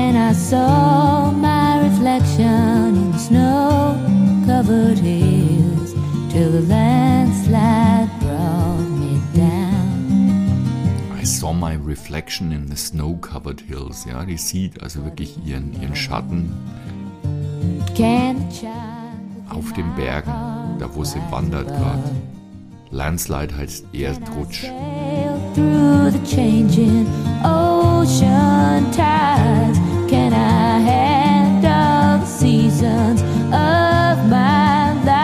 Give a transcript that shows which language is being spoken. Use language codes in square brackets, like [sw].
[en] I saw my reflection in snow-covered hills till the landslide brought me down. I saw my reflection in the snow-covered hills. [de] Ja, die sieht also wirklich ihren Schatten auf den Bergen, da wo sie wandert gerade. Landslide heißt Erdrutsch. [en] Through the changing ocean tides, can I handle the seasons of my